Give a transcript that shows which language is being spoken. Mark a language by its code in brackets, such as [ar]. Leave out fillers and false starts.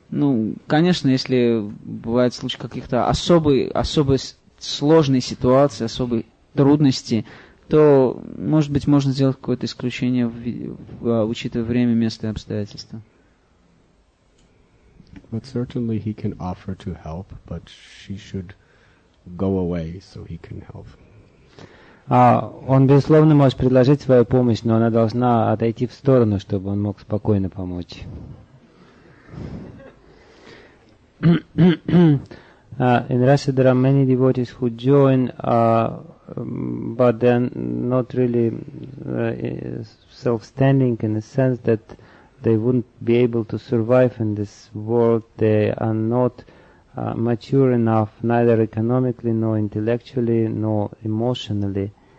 [ru] Ну, конечно, если бывает случай каких-то особой сложной ситуации, особой трудности, то, может быть, можно сделать какое-то исключение, учитывая время, место и обстоятельства. [en] But certainly he can offer to help, but she should go away so he can help. [ru] Он, безусловно, может предложить свою помощь, но она должна отойти в сторону, чтобы он мог спокойно помочь. [en] In Russia there are many devotees who join, but they're not really self-standing in the sense that they wouldn't be able to survive in this world. They are not mature enough, neither economically nor intellectually nor emotionally.